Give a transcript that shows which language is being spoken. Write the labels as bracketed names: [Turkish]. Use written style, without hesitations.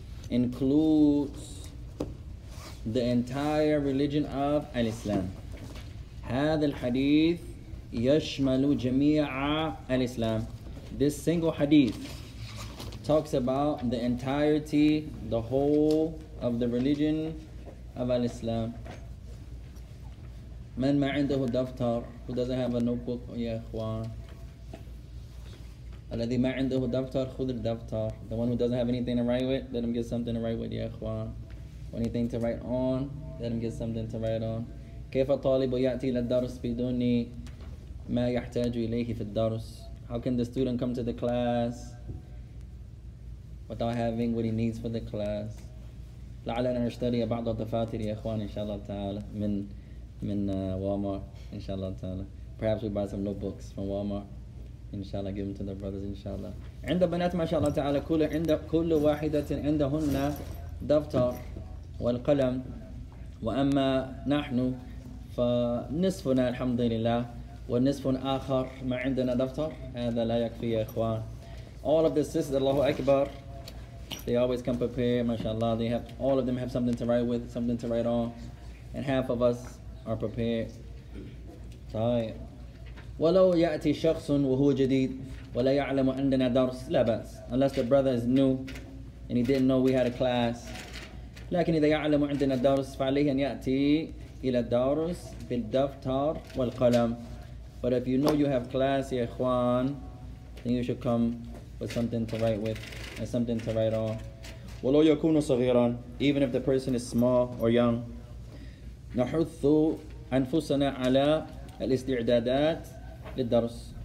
[English] includes the entire religion of Islam [Arabic] هذا الحديث يشمل جميع الإسلام [English] This single hadith talks about the entirety, the whole of the religion of Al-Islam. [Arabic] من ما عنده دفتر, [English] who doesn't have a notebook, [Arabic] يا إخوان. الذي ما عنده دفتر, خذ الدفتر. [English] The one who doesn't have anything to write with, let him get something to write with, [Arabic] يا إخوان. [English] Anything to write on, let him get something to write on. [Arabic] كيف طالب يأتي للدرس بدون ما يحتاج إليه في الدرس. [English] How can the student come to the class without having what he needs for the class? [Arabic] لعلنا نشتري بعض الدفاتر يا إخوان إن شاء الله تعالى من Walmart إن شاء الله تعالى. [English] Perhaps we buy some notebooks from Walmart. inshallah, give them to the brothers, inshallah. [Arabic] عند بنات ما شاء الله تعالى كل عند كل واحدة عندهن دفتر والقلم وأما نحن فنصفنا الحمد لله والنصف آخر ما عندنا دفتر هذا لا يكفي يا إخوان. [English] All of the sisters, Allahu Akbar. They always come prepared, mashallah. They have, all of them have something to write with, something to write on. And half of us are prepared. [Arabic] طيب. وَلَوْ يَأْتِي شَخْصٌ وَهُوَ جَدِيدٌ وَلَا يَعْلَمُ أَنْدَنَا دَرْسٌ لَا بَأْسٌ. [English] Unless the brother is new and he didn't know we had a class. [Arabic] لكن إذا يعلم عندنا الدرس فعليه أن يأتي إلى الدرس بالدفتر والقلم. [English] But if you know you have class, [Arabic] يا إخوان, [English] then you should come with something to write with and something to write on. [Arabic] وَلَوْ يَكُونُ صَغِيرًا. [English] Even if the person is small or young. [Arabic] نَحُثُّ أَنفُسَنَا عَلَى الاستعدادات للدرس.